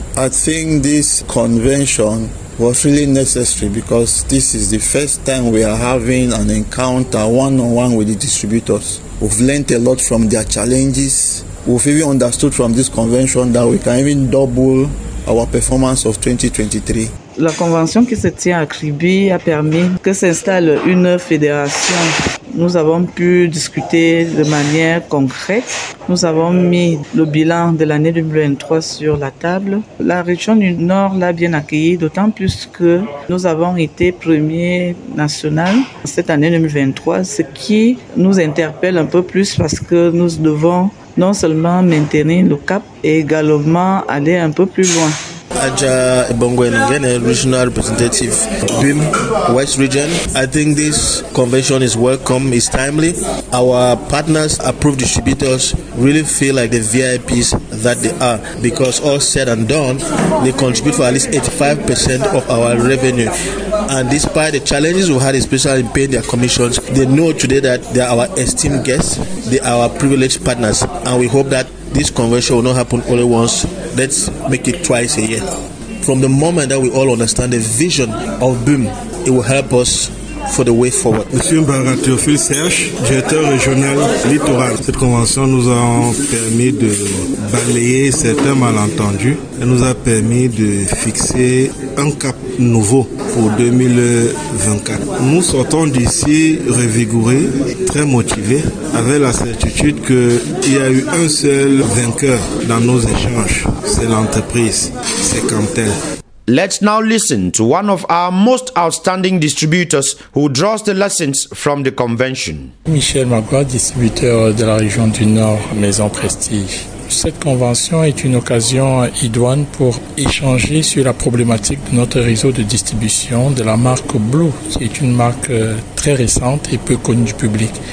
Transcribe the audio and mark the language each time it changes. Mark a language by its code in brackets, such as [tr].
[en] I think this convention was really necessary because this is the first time we are having an encounter one-on-one with the distributors. We've learned a lot from their challenges. We've even understood from this convention that we can even double our performance of 2023. [fr] La convention qui se tient à Kribi a permis que s'installe une fédération. Nous avons pu discuter de manière concrète. Nous avons mis le bilan de l'année 2023 sur la table. La région du Nord l'a bien accueilli, d'autant plus que nous avons été premier national cette année 2023, ce qui nous interpelle un peu plus parce que nous devons non seulement maintenir le cap, et également aller un peu plus loin. [en] Aja Ebongwenengene, regional representative BIM West Region. I think this convention is welcome, is timely. Our partners, approved distributors, really feel like the VIPs that they are because all said and done, they contribute for at least 85% of our revenue. And despite the challenges we had, especially in paying their commissions, they know today that they are our esteemed guests, they are our privileged partners, and we hope that this convention will not happen only once. Let's make it twice a year. From the moment that we all understand the vision of BIM, it will help us for the way forward. [fr] Monsieur Barat Théophile Serge, directeur régional littoral. Cette convention nous a permis de balayer certains malentendus. Elle nous a permis de fixer un cap nouveau pour 2024. Nous sortons d'ici revigorés, très motivés, avec la certitude qu'il y a eu un seul vainqueur dans nos échanges. C'est l'entreprise, c'est Camtel. [en] Let's now listen to one of our most outstanding distributors who draws the lessons from the convention. [fr] Michel Magloire, distributeur de la région du Nord, Maison Prestige. Cette convention est une occasion idoine pour échanger sur la problématique de notre réseau de distribution de la marque Blue, qui est une marque très récente et peu connue du public.